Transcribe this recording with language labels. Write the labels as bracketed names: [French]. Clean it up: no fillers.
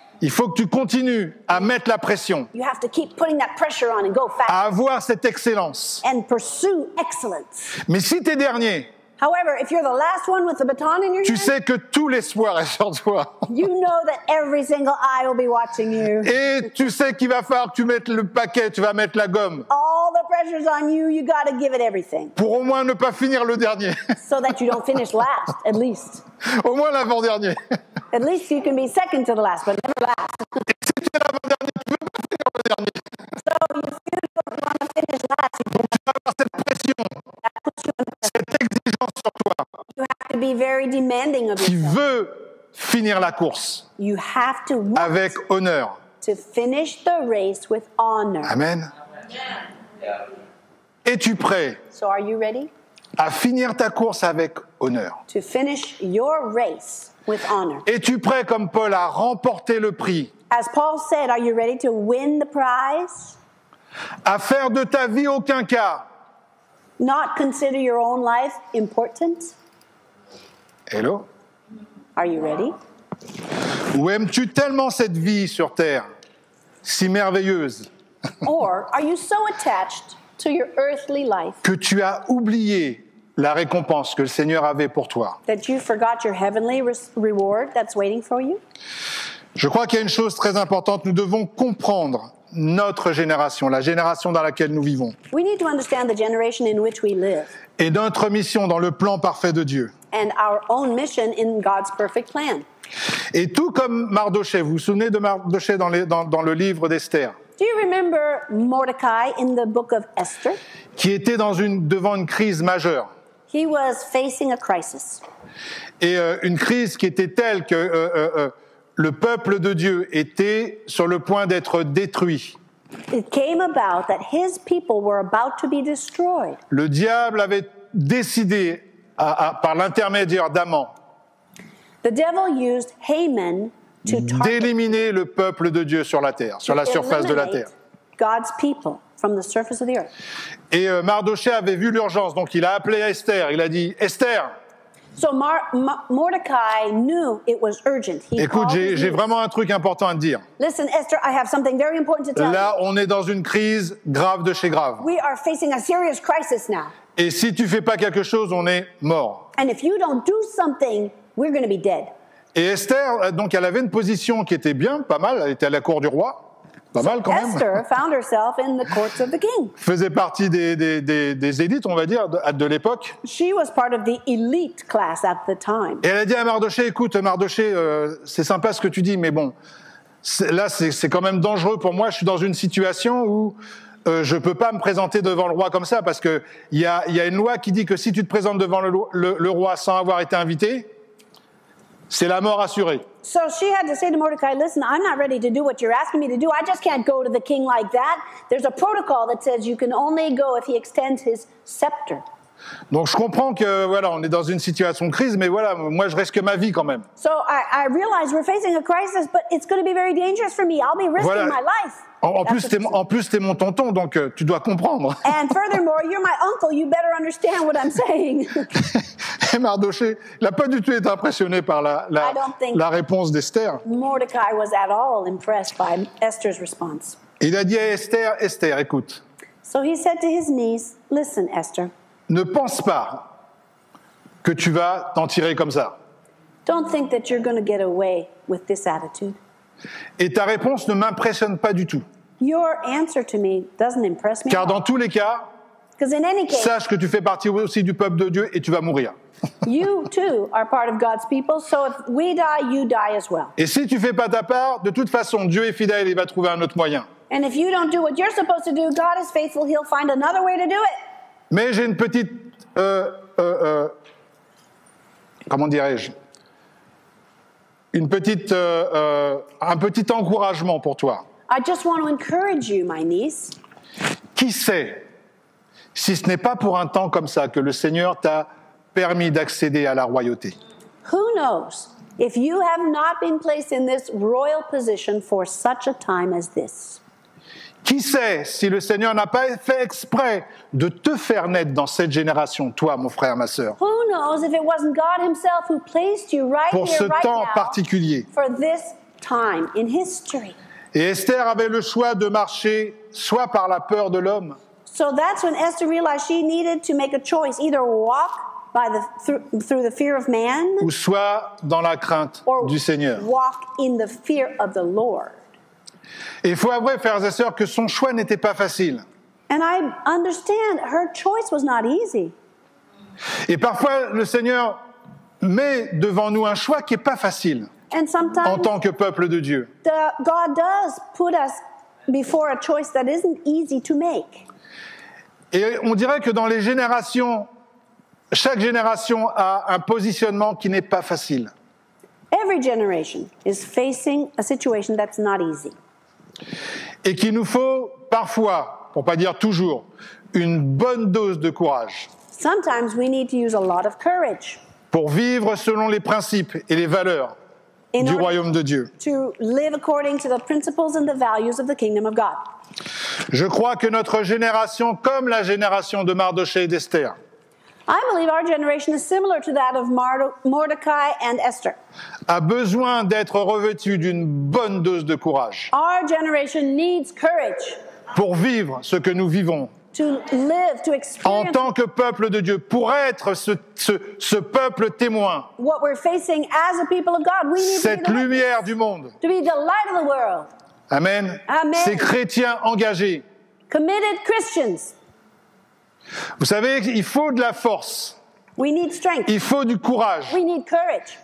[French] Il faut que tu continues à mettre la pression. [English] You have to keep putting that pressure on and go fast. [French] À avoir cette excellence. [English] And pursue excellence. [French] Mais si tu es dernier, [English] however, if you're the last one with the baton in your [French] tu sais que tout l'espoir est sur toi. [English] You know that every single eye will be watching you. [French] Et tu sais qu'il va falloir que tu mettes le paquet, tu vas mettre la gomme. [English] All the pressure's on you, you gotta give it everything. [French] Pour au moins ne pas finir le dernier. [English] So that you don't finish last, at least. [French] Au moins l'avant-dernier. [English] At least you can be second to the last, but never last. [French] Et si tu es l'avant-dernier, tu veux pas finir le dernier. [English] So you still don't want to finish last. [French] Donc tu vas avoir cette pression. Cette exigence sur toi. [English] You have to be very demanding of [French] qui [English] yourself. [French] Veut finir la course. [English] You have to [French] avec honneur. [English] To finish the race with honor. [French] Amen. [English] Yeah. [French] Es-tu prêt? [English] So are you ready? [French] À finir ta course avec honneur. [English] To finish your race with honor. [French] Es-tu prêt comme Paul à remporter le prix? [English] As Paul said, are you ready to win the prize? [French] À faire de ta vie aucun cas. [English] Not consider your own life important? Hello? Are you ready? [French] Ou aimes-tu tellement cette vie sur terre, si merveilleuse? [English] Or are you so attached to your earthly life? [French] Que tu as oublié la récompense que le Seigneur avait pour toi? [English] That you forgot your heavenly reward that's waiting for you? [French] Je crois qu'il y a une chose très importante, nous devons comprendre notre génération, la génération dans laquelle nous vivons. [English] We need to understand the generation in which we live. [French] Et notre mission dans le plan parfait de Dieu. [English] And our own mission in God's perfect plan. [French] Et tout comme Mardoché, vous vous souvenez de Mardoché dans le livre d'Esther? [English] Do you remember Mordecai in the book of Esther? [French] Qui était devant une crise majeure. [English] He was facing a crisis. [French] Et une crise qui était telle que le peuple de Dieu était sur le point d'être détruit. [English] It came about that his people were about to be destroyed. [French] Le diable avait décidé, par l'intermédiaire d'Aman, [English] the devil used Haman to [French] d'éliminer le peuple de Dieu sur la terre, sur la surface de la terre. [English] God's people from the surface of the earth. [French] Et Mardoché avait vu l'urgence, donc il a appelé Esther, il a dit, Esther! [English] So Mordecai knew it was urgent. [French] He écoute, j'ai vraiment un truc important à te dire. [English] Listen, Esther, I have something very important to tell [French] là, [English] you. [French] Là, on est dans une crise grave de chez grave. [English] We are facing a serious crisis now. [French] Et si tu fais pas quelque chose, on est mort. [English] And if you don't do something, we're going to be dead. [French] Et Esther, donc, elle avait une position qui était bien, pas mal. Elle était à la cour du roi. Pas mal quand même. [English] Esther found herself in the courts of the king. [French] Faisait partie des élites, on va dire, de l'époque. [English] She was part of the elite class at the time. [French] Et elle a dit à Mardochée, écoute, Mardochée, c'est sympa ce que tu dis, mais bon, c'est quand même dangereux pour moi. Je suis dans une situation où je peux pas me présenter devant le roi comme ça, parce que il y a une loi qui dit que si tu te présentes devant le roi sans avoir été invité, c'est la mort assurée. [English] So she had to say to Mordecai, listen, I'm not ready to do what you're asking me to do. I just can't go to the king like that. There's a protocol that says you can only go if he extends his scepter. [French] Donc je comprends que voilà, on est dans une situation de crise, mais voilà, moi je risque ma vie quand même. [English] So I realize we're facing a crisis, but it's going to be very dangerous for me. I'll be risking voilà. My life. [French] En plus, t'es mon tonton, donc tu dois comprendre. [English] And furthermore, you're my uncle, you better understand what I'm saying. [French] Et Mardochée, il n'a pas du tout été impressionné par la réponse d'Esther. [English] Mordecai was at all impressed by Esther's response. [French] Il a dit à Esther, Esther, écoute. [English] So he said to his niece, listen, Esther. [French] Ne pense pas que tu vas t'en tirer comme ça. [English] Don't think that you're going to get away with this attitude. [French] Et ta réponse ne m'impressionne pas du tout. [English] Your answer to me doesn't impress me. [French] Car dans tous les cas, sache que tu fais partie aussi du peuple de Dieu et tu vas mourir. [English] You too are part of God's people, so if we die, you die as well. [French] Et si tu fais pas ta part, de toute façon, Dieu est fidèle et il va trouver un autre moyen. [English] And if you don't do what you're supposed to do, God is faithful, he'll find another way to do it. [French] Mais j'ai une petite un petit encouragement pour toi. [English] I just want to encourage you, my niece. [French] Qui sait si ce n'est pas pour un temps comme ça que le Seigneur t'a permis d'accéder à la royauté. [English] Who knows if you have not been placed in this royal position for such a time as this? [French] Qui sait si le Seigneur n'a pas fait exprès de te faire naître dans cette génération, toi, mon frère, ma sœur? [English] Who knows if it wasn't God himself who placed you right [French] pour [English] here, [French] ce [English] right [French] temps [English] now, [French] particulier? [English] For this time in history. [French] Et Esther avait le choix de marcher soit par la peur de l'homme. [English] So that's when Esther realized she needed to make a choice, either walk through the fear of man, [French] ou soit dans la crainte du Seigneur. [English] Walk in the fear of the Lord. [French] Et il faut avouer, frères et sœurs, que son choix n'était pas facile. [English] And I understand her choice was not easy. [French] Et parfois, le Seigneur met devant nous un choix qui n'est pas facile. [English] And sometimes, [French] en tant que peuple de Dieu, [English] God does put us before a choice that isn't easy to make. [French] Et on dirait que dans les générations, chaque génération a un positionnement qui n'est pas facile. [English] Every generation is facing a situation that's not easy. [French] Et qu'il nous faut parfois, pour pas dire toujours, une bonne dose de courage. [English] Sometimes we need to use a lot of courage. [French] Pour vivre selon les principes et les valeurs du royaume de Dieu. [English] To live according to the principles and the values of the kingdom of God. [French] Je crois que notre génération, comme la génération de Mardochée et d'Esther, [English] I believe our generation is similar to that of Mordecai and Esther. [French] A besoin d'être revêtu d'une bonne dose de courage. [English] Our generation needs courage. [French] Pour vivre ce que nous vivons. [English] To live, to experience. [French] En tant que peuple de Dieu, pour être ce peuple témoin. [English] What we're facing as a people of God, we need to be the [French] cette lumière du monde. [English] To be the light of the world. [French] Amen. [English] Amen. [French] Ces chrétiens engagés. [English] Committed Christians. [French] Vous savez, il faut de la force. [English] We need strength. [French] Il faut du courage. [English] We need courage.